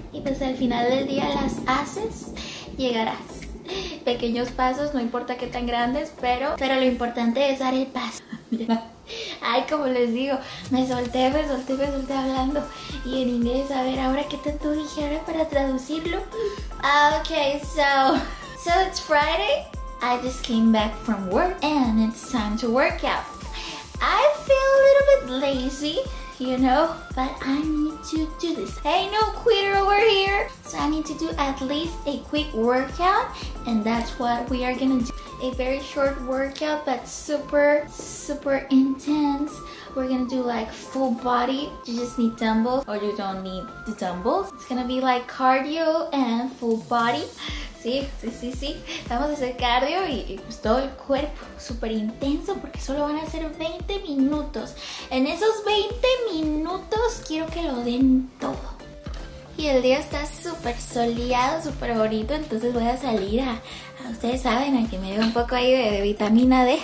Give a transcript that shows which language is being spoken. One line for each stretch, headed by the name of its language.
Spanish: Y pues al final del día las haces, llegarás. Pequeños pasos, no importa qué tan grandes, pero lo importante es dar el paso. Ay, como les digo, me solté hablando. Y en inglés, a ver, ¿ahora qué tanto dije ahora para traducirlo?
English: Okay, so it's Friday. I just came back from work and it's time to work out. I feel a little bit lazy, you know, but I need to do this. Hey, no quitter over here. So I need to do at least a quick workout, and that's what we are gonna do. A very short workout, but super, super intense. We're gonna do like full body. You just need dumbbells, or you don't need the dumbbells. It's gonna be like cardio and full body.
Spanish: Sí. Vamos a hacer cardio y pues todo el cuerpo súper intenso, porque solo van a ser 20 minutos. En esos 20 minutos quiero que lo den todo. Y el día está súper soleado, súper bonito, entonces voy a salir a ustedes saben, a que me dé un poco ahí de vitamina D.